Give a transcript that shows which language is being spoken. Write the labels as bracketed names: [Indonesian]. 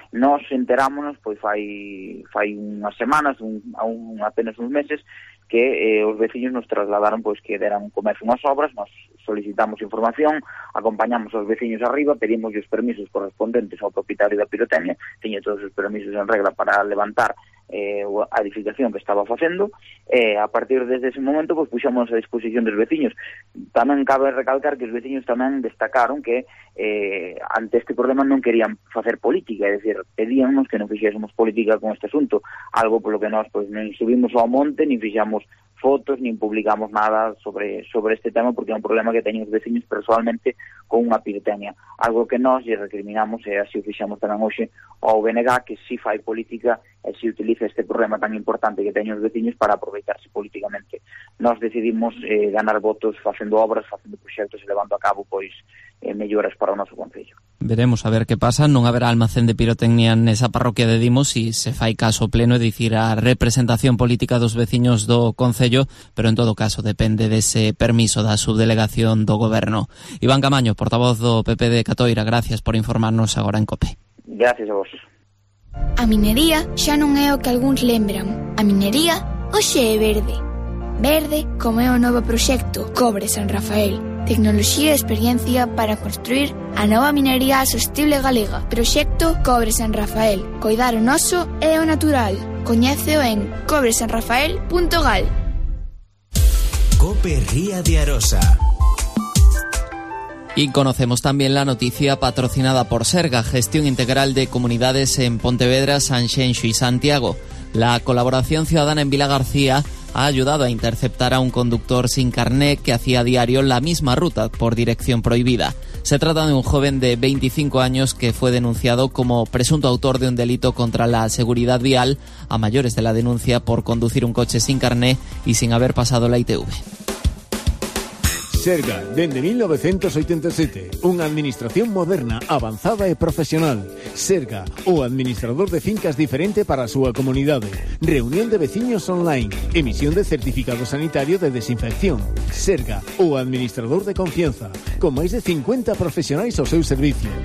[Galician] Nos enterámonos fai unhas semanas, apenas uns meses, que os veciños nos trasladaron que deran comezo unhas obras, nos solicitamos información, acompañamos os veciños arriba, pedimos os permisos correspondentes ao propietario da pirotecnia, teñe todos os permisos en regla para levantar a edificación que estaba facendo. A partir desde ese momento puxamos a disposición dos veciños. Tamén cabe recalcar que os veciños tamén destacaron que ante este problema non querían facer política, é dicir, pedíamos que non fixésemos política con este asunto, algo polo que nós non subimos ao monte, nin fixamos fotos nin publicamos nada sobre este tema, porque é un problema que teñen os veciños personalmente con unha pirotecnia, algo que nós lle recriminamos, e así o fixamos tamén hoxe ao BNG, que si fai política e si utiliza este problema tan importante que teñen os veciños para aproveitarse políticamente. Nós decidimos ganar votos facendo obras, facendo proxectos e levando a cabo pois melloras para o noso concello. Veremos a ver que pasa, non haberá almacén de pirotecnia nesa parroquia de Dimos si se fai caso pleno, é dicir, a representación política dos veciños do concello, pero en todo caso depende dese permiso da subdelegación do goberno. Iván Camaño, portavoz do PP de Catoira, gracias por informarnos agora en COPE. Gracias a vos. A minería xa non é o que algúns lembran. A minería hoxe é verde. Verde como é o novo proxecto Cobre San Rafael. Tecnoloxía e experiencia para construir a nova minería sostible galega. Proxecto Cobre San Rafael. Coidar o noso é o natural. Coñéceo en cobresanrafael.gal. COPE Ría de Arosa. [Spanish] Y conocemos también la noticia patrocinada por Serga, gestión integral de comunidades en Pontevedra, Sanxenxo y Santiago. La colaboración ciudadana en Vila García ha ayudado a interceptar a un conductor sin carné que hacía a diario la misma ruta por dirección prohibida. Se trata de un joven de 25 años que fue denunciado como presunto autor de un delito contra la seguridad vial a mayores de la denuncia por conducir un coche sin carné y sin haber pasado la ITV. [Galician] Serga, dende 1987, unha administración moderna, avanzada e profesional. Serga, o administrador de fincas diferente para a súa comunidade. Reunión de veciños online, emisión de certificado sanitario de desinfección. Serga, o administrador de confianza, con máis de 50 profesionais ao seu servicio.